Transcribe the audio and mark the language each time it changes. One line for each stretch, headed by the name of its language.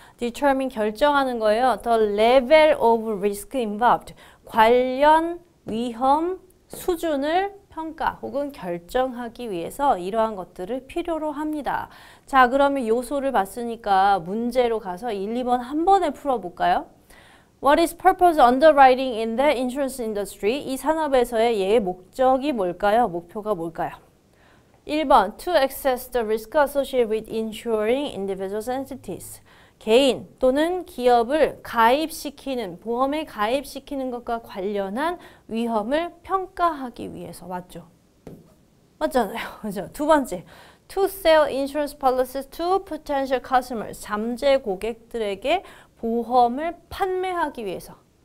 Korean: Determine, 결정하는 거예요.
English: The level of risk involved,
Korean: 관련 위험 수준을 평가 혹은 결정하기 위해서 이러한 것들을 필요로 합니다. 자, 그러면 요소를 봤으니까 문제로 가서 1, 2번 한 번에 풀어볼까요?
English: What is purpose underwriting in the insurance industry?
Korean: 이 산업에서의 얘의 목적이 뭘까요? 목표가 뭘까요?
English: 1번, to assess the risk associated with insuring individuals entities.
Korean: 개인 또는 기업을 가입시키는, 보험에 가입시키는 것과 관련한 위험을 평가하기 위해서. 맞죠? 맞잖아요. 그렇죠? 두 번째,
English: to sell insurance policies to potential customers.
Korean: 잠재 고객들에게 보험을 판매하기 위해서.